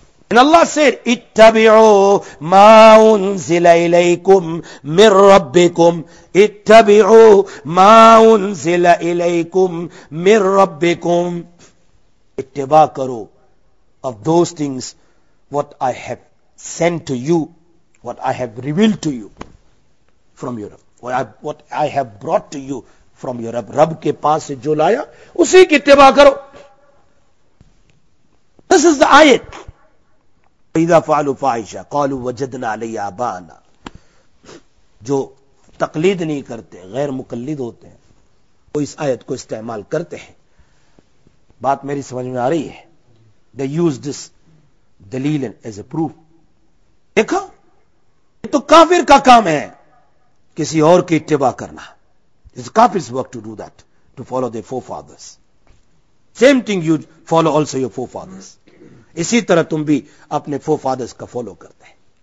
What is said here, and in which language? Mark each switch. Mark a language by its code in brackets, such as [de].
[en] And Allah said, [ar] اتبعوا ما انزل إليكم من ربكم. اتبعوا ما انزل إليكم من ربكم. [ur] اتبع کرو [en] of those things what I have sent to you, what I have revealed to you from your Rabb, what I have brought to you from your Rabb. [ur] Rabb ke paas se jo laya, usi ki itteba karo. [en] This is the ayat. [ar] وَإِذَا فَعَلُوا فَعِشَا قَالُوا وَجَدْنَا عَلَيْهَا آبَانَا. [ur] جو تقلید نہیں کرتے, غیر مقلد ہوتے ہیں, وہ اس آیت کو استعمال کرتے ہیں. بات میری سمجھ میں آ رہی ہے. [en] They use this دلیل as a proof. [ur] دیکھا, یہ تو کافر کا کام ہے کسی اور کی اتباع کرنا. [en] It's kafir's work to do that, to follow their forefathers. Same thing you follow also your forefathers. [ur] اسی طرح تم بھی اپنے forefathers کا فالو کرتے ہیں.